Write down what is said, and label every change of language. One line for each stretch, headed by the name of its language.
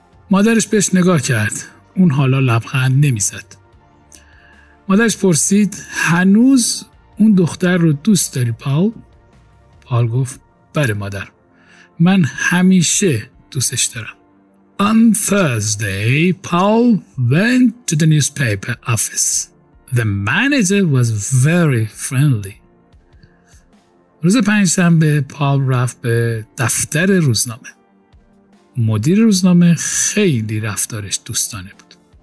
Persian: مادرش بهش نگاه کرد. اون حالا لبخند نمیزد. مادرش پرسید، هنوز اون دختر رو دوست داری پاول؟ پاول گفت، بله مادر، من همیشه دوستش دارم.
English: On Thursday, Paul went to the newspaper office. The manager was very friendly.
Persian: روز پنجشنبه پاول رفت به دفتر روزنامه. مدیر روزنامه خیلی رفتارش دوستانه بود.